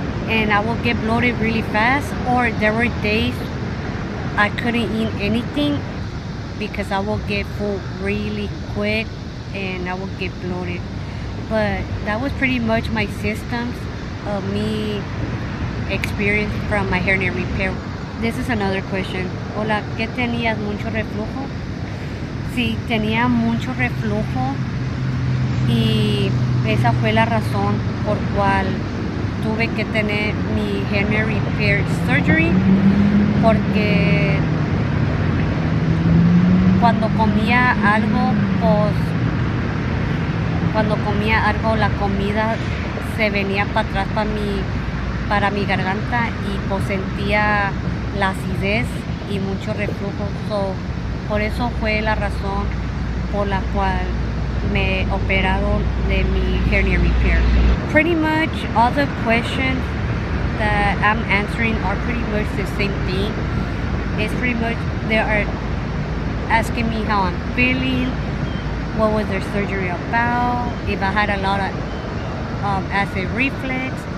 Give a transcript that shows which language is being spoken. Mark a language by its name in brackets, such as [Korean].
[English] and I will get bloated really fast, or there were days I couldn't eat anything because I will get full really quick and I will get bloated. But that was pretty much my symptoms of me experience from my hernia repair. This is another question. [Spanish] Hola, ¿qué tenías mucho reflujo? Sí, tenía mucho reflujo y esa fue la razón por cual tuve que tener mi [English] hernia repair surgery, [Spanish] porque cuando comía algo, pues, cuando comía algo, la comida se venía para atrás para mi garganta y pues sentía la acidez y mucho reflujo. [English] So, [Spanish] por eso fue la razón por la cual me operaron de mi [English] hernia repair. Pretty much all the questions that I'm answering are pretty much the same thing. It's pretty much, they are asking me how I'm feeling, what was their surgery about, if I had a lot of acid reflux.